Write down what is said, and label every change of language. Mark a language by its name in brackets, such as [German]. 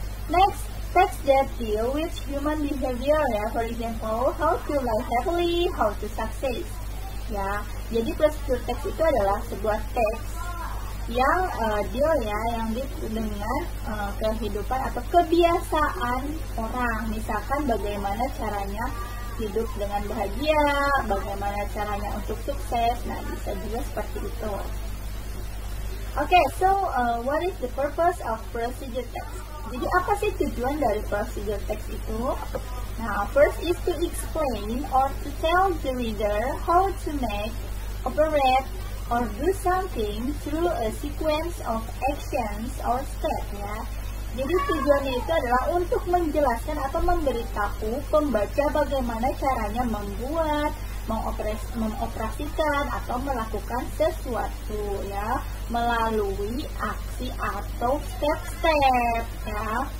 [English] Next, text that deal with human behavior ya, for example how to live happily, how to succeed ya. [Indonesian] Jadi procedure text itu adalah sebuah text yang dia ya yang dengan kehidupan atau kebiasaan orang, misalkan bagaimana caranya hidup dengan bahagia, bagaimana caranya untuk sukses, nah bisa juga seperti itu. [English] Okay, so what is the purpose of procedure text? [Indonesian] Jadi apa sih tujuan dari procedure text itu? [English] Nah, first is to explain or to tell the reader how to make, operate, or do something through a sequence of actions or steps ya. [Indonesian] Jadi tujuannya itu adalah untuk menjelaskan atau memberitahu pembaca bagaimana caranya membuat, mengoperasikan atau melakukan sesuatu ya melalui aksi atau step-step ya.